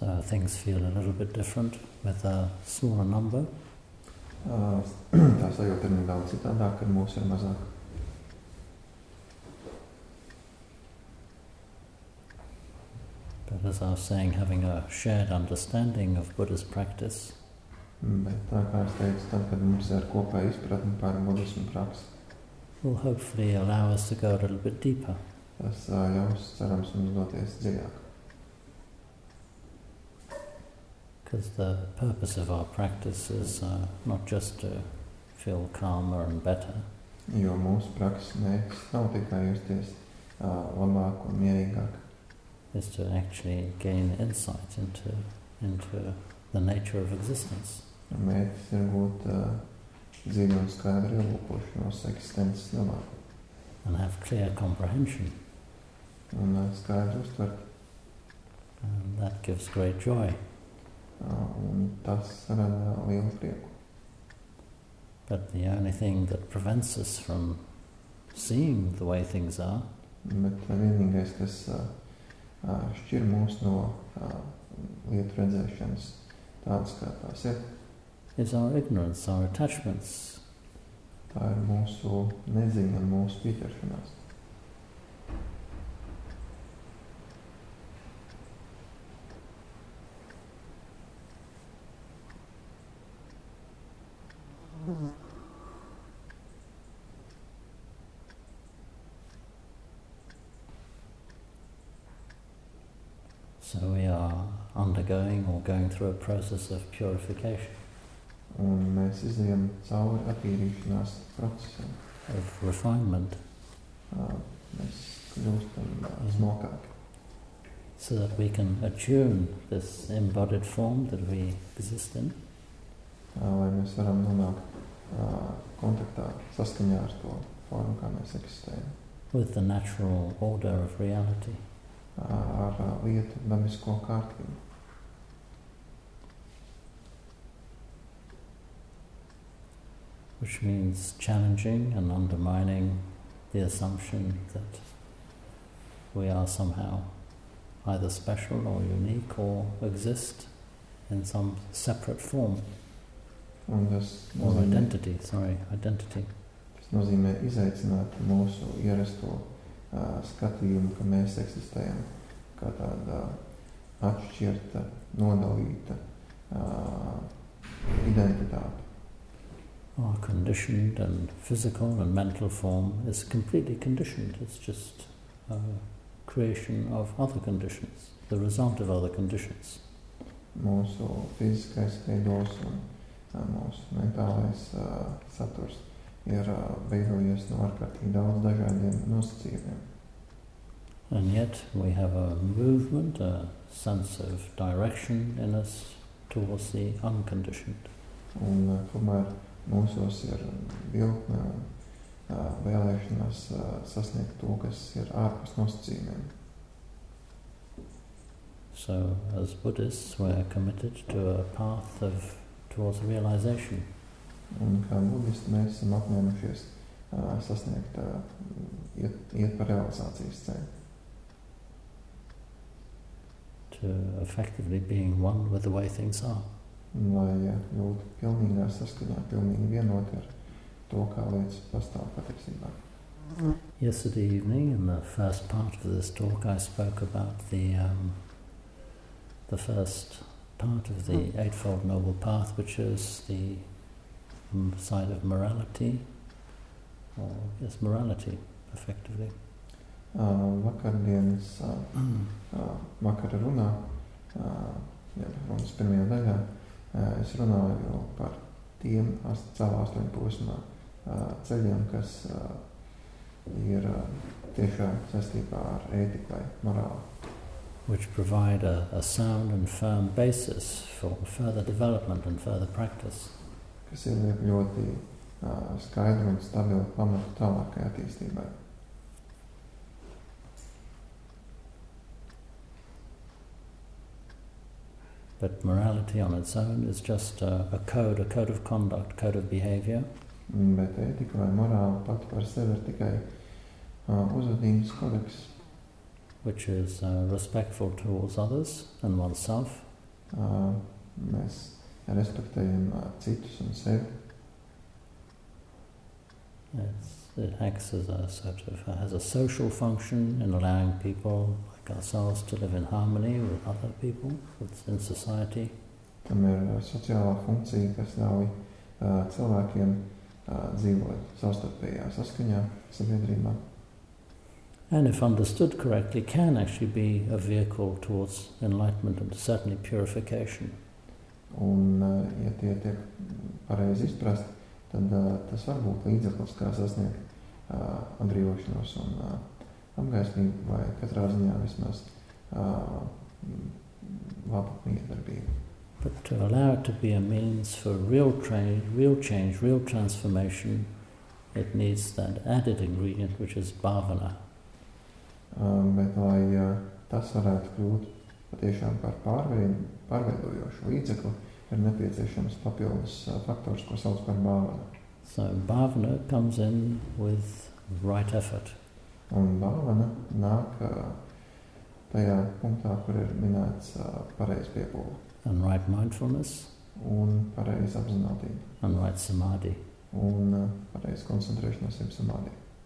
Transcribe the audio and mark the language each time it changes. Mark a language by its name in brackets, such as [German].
[English] things feel a little bit different with a smaller number. [Latvian] Tā sajūta ir nedaudz citādāk, kad mūs ir mazāk. [English] But as I was saying, having a shared understanding of Buddhist practice. [Latvian] Bet tā kā es teicu, tā, kad mums ir kopā izpratni par budismu praksi. [English] Will hopefully allow us to go a little bit deeper. [Latvian] Tas ļaus, cerams, mums doties dziļāk. [English] Because the purpose of our practice is not just to feel calmer and better. [Latvian] Jo mūsu praksa mērķis nav tikai justies labāk un mierīgāk. [English] Is to actually gain insight into the nature of existence. [Latvian] Mērķis ir būt dziļi un skaidri ielūkošanos eksistences domā. [English] And have clear comprehension. [Latvian] Un skaidri uztvert. [English] And that gives great joy. [Latvian] Un tas rada lielu prieku. [English] But the only thing that prevents us from seeing the way things are. [Latvian] Bet vienīgais, kas šķir mūs no lietu redzēšanas tādas kā tās ir. [English] Is our ignorance, our attachments. [Latvian] Tā ir mūsu neziņa, mūsu pieķeršanās. [English] So we are undergoing or going through a process of purification. [Latvian] Un mēs izejam cauri attīrīšanās procesam. [English] Of refinement. [Latvian] Mēs kļūstam smalkāk. [English] So that we can attune this embodied form that we exist in. [Latvian] Lai mēs varam nonākt kontaktā, saskaņā ar to formu, kā mēs eksistējam. [English] With the natural order of reality. [Latvian] Ar lietu dabisko kārtību. [English] Which means challenging and undermining the assumption that we are somehow either special or unique or exist in some separate form. [Latvian] Un tas nozīmē, [English] or identity, sorry, identity. [Latvian] Tas nozīmē izaicināt mūsu ierasto skatījumu, ka mēs eksistējam kā tāda atšķirta, nodalīta identitāte. [English] Our conditioned and physical and mental form is completely conditioned. It's just a creation of other conditions, the result of other conditions. [Latvian] Mūsu fiziskais veidos un mūsu mentālais saturs ir veidojies no ārkārtīgi daudz dažādiem nosacījumiem. [English] And yet we have a movement, a sense of direction in us towards the unconditioned. [Latvian] Un tomēr mūsos ir vilkme un vēlēšanās sasniegt to, kas ir ārpus nosacījumiem. [English] So as Buddhists we are committed to a path of towards realization. [Latvian] Un kā Buddhisti mēs esam apņēmušies sasniegt iet par realizācijas ceļu. [English] To effectively being one with the way things are. [Latvian] Lai būtu pilnīgā saskaņā, pilnīgi vienot ar to, kā lietas pastāv patiesībā. [English] Yesterday evening, in the first part of this talk, I spoke about the first part of the Eightfold Noble Path, which is the side of morality, or yes, morality, effectively. [Latvian] Vakardienas vakara runā, runas pirmajā daļā, es runāju par tiem savu 8 posmā ceļiem, kas ir tiešā saistībā ar ētiku vai morālu. [English] Which provide a sound and firm basis for further development and further practice. [Latvian] Kas ir ļoti skaidri un stabili pamatu tālākai attīstībai. [English] But morality on its own is just a code of conduct, code of behavior. [Latvian] Bet ētika vai morāla pat par sevi ir tikai uzvedības kodeks. [English] Which is respectful towards others and oneself. [Latvian] Mēs respektējam citus un sevi. [English] It acts as a sort of has a social function in allowing people like ourselves to live in harmony with other people in society. [Latvian] Tam ir sociālā funkcija, kas ļauj cilvēkiem dzīvot savstarpējā saskaņā sabiedrībā. [English] And if understood correctly, can actually be a vehicle towards enlightenment and certainly purification. [Latvian] Un ja tie tiek pareizi izprast, tad tas var būt līdzeklis, kā sasniegt atbrīvošanos un apgaismību, vai katrā ziņā vismaz labu miedarbību. [English] But to allow it to be a means for real change, real transformation, it needs that added ingredient, which is bhavana. [Latvian] Bet lai tas varētu kļūt patiešām par pārveidojošu līdzekli, ir nepieciešams papildus faktors, ko sauc par bhavana. [English] So bhavana comes in with right effort. [Latvian] Un bhavana nāk tajā punktā, kur ir minēts pareizi piepūle. [English] And right mindfulness. [Latvian] Un pareizi apzinātība. [English] And right samādhi. [Latvian] Un pareizi koncentrēšanās jau samādhi.